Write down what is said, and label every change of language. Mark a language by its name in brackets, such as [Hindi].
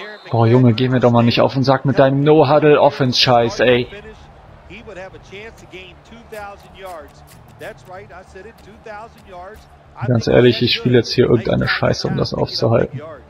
[German] Boah, Junge, geh mir doch mal nicht auf den Sack mit deinem No-Huddle-Offense-Scheiß, ey. [English] He would have a chance to gain 2,000 yards. That's right, I said it, 2,000 yards. [German] Ganz ehrlich, ich spiele jetzt hier irgendeine Scheiße, um das aufzuhalten.